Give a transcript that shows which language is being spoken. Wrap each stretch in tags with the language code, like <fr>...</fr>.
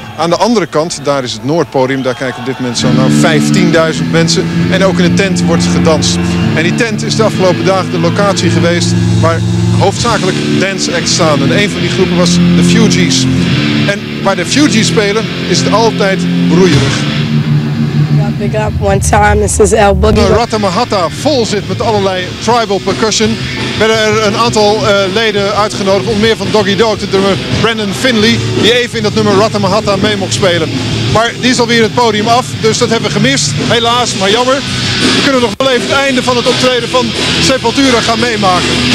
<nl>Aan de andere kant, daar is het noordpodium, daar kijken op dit moment zo'n 15.000 mensen. En ook in de tent wordt gedanst. En die tent is de afgelopen dagen de locatie geweest waar hoofdzakelijk dance acts staan. En een van die groepen was de Fugees. En waar de Fugees spelen is het altijd broeierig.</nl> <en>Big up one time, this is El Boogie.</en> <nl>De Ratamahatta vol zit met allerlei tribal percussion. Werden er een aantal leden uitgenodigd, onder meer van Doggy Dog, de drummer Brandon Finley, die even in dat nummer Ratamahatta mee mocht spelen. Maar die is alweer het podium af, dus dat hebben we gemist. Helaas, maar jammer. We kunnen nog wel even het einde van het optreden van Sepultura gaan meemaken.</nl>